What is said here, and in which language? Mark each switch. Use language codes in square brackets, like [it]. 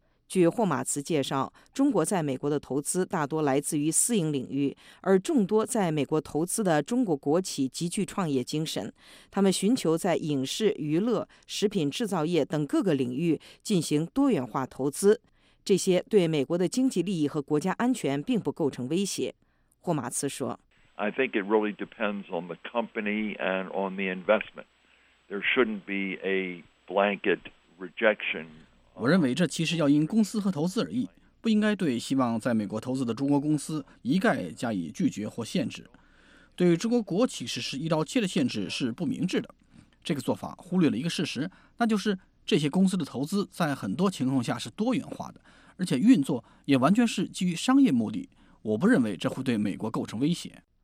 [zh] 据霍马茨介绍，中国在美国的投资大多来自于私营领域，而众多在美国投资的中国国企极具创业精神，他们寻求在影视、娱乐、食品制造业等各个领域进行多元化投资，这些对美国的经济利益和国家安全并不构成威胁。霍马茨说， [en] I think it really depends on the company and on the investment. There shouldn't be a blanket rejection. [zh] 我认为这其实要因公司和投资而异，不应该对希望在美国投资的中国公司一概加以拒绝或限制。对于中国国企实施一刀切的限制是不明智的，这个做法忽略了一个事实，那就是这些公司的投资在很多情况下是多元化的，而且运作也完全是基于商业目的，我不认为这会对美国构成威胁。